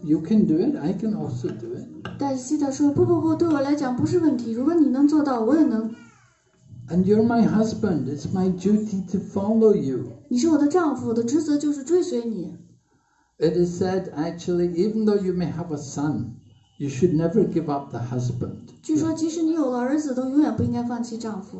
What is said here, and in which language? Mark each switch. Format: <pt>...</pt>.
<en>If you can do it, I can also do it.</en> <zh>但是西达说，不，对我来讲不是问题。如果你能做到，我也能。</zh> <en>And you're my husband. It's my duty to follow you.</en> <zh>你是我的丈夫，我的职责就是追随你。</zh> <en>It is said, actually, even though you may have a son, you should never give up the husband.</en> <zh>据说即使你有了儿子，都永远不应该放弃丈夫。</zh>